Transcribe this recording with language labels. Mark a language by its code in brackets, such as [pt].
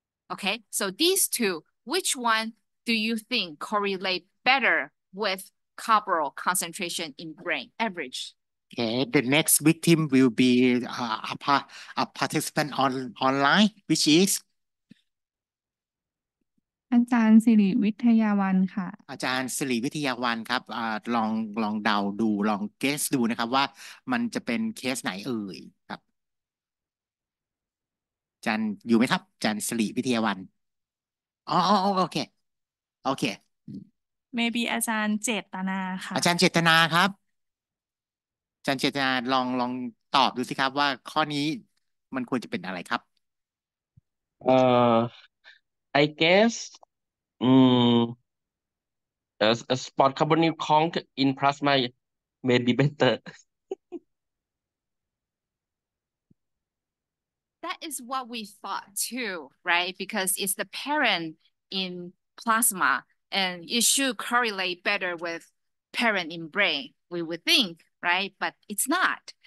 [en] Okay, so these two, which one do you think correlate better with carbaryl concentration in brain average? Okay, the next victim will be a participant online, which is [th] อาจารย์สิริวิทยาวันค่ะ อาจารย์สิริวิทยาวันครับลองเดาดูลองเกสดูนะครับว่ามันจะเป็นเคสไหนเอ่ยครับอาจารย์อยู่ไหมครับอาจารย์สิริวิทยาวันอ๋อโอเค [en] maybe [th] อาจารย์เจตนาค่ะ อาจารย์เจตนาครับอาจารย์เจตนาลองตอบดูสิครับว่าข้อนี้มันควรจะเป็นอะไรครับ [en] I guess a spot carbonyl conk in plasma may be better. That is what we thought too, right? Because it's the parent in plasma and it should correlate better with parent in brain, we would think, right? But it's not.